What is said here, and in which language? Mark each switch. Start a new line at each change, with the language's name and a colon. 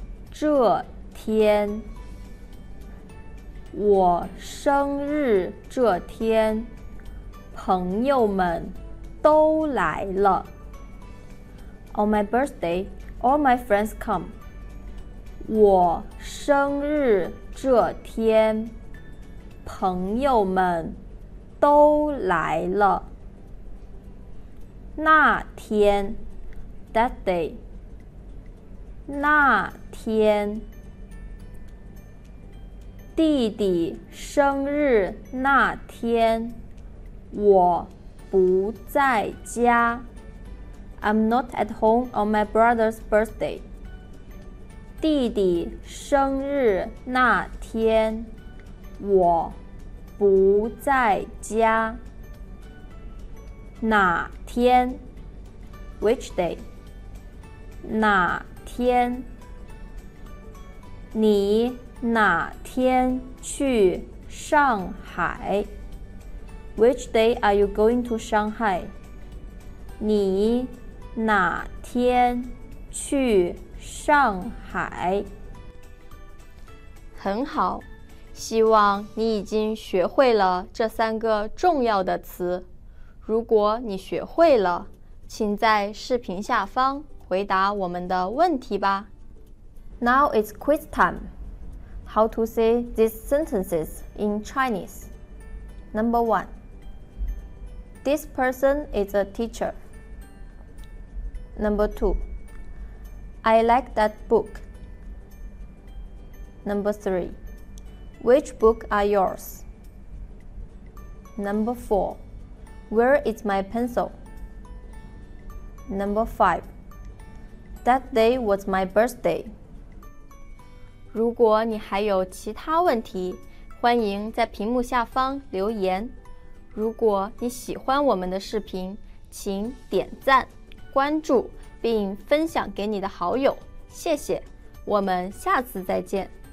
Chinese: 这天我生日这天朋友们都来了
English: On my birthday, all my friends come
Chinese: 我生日这天朋友们都来了那天
English: That day
Chinese: 那天弟弟生日那天我不在家
English: I'm not at home on my brother's birthday
Chinese: 弟弟生日那天我不在家哪天
English: Which day
Chinese: 哪天你哪天去上海
English: Which day are you going to Shanghai
Chinese: 你哪天去上海很好希望你已经学会了这三个重要的词。如果你学会了，请在视频下方回答我们的问题吧。
English: Now it's quiz time. How to say these sentences in Chinese? Number one. This person is a teacher. Number two. I like that book. Number three. Which book are yours? Number 4. Where is my pencil? Number 5. That day was my birthday.
Chinese: 如果你还有其他问题，欢迎在屏幕下方留言。如果你喜欢我们的视频，请点赞、关注并分享给你的好友。谢谢，我们下次再见。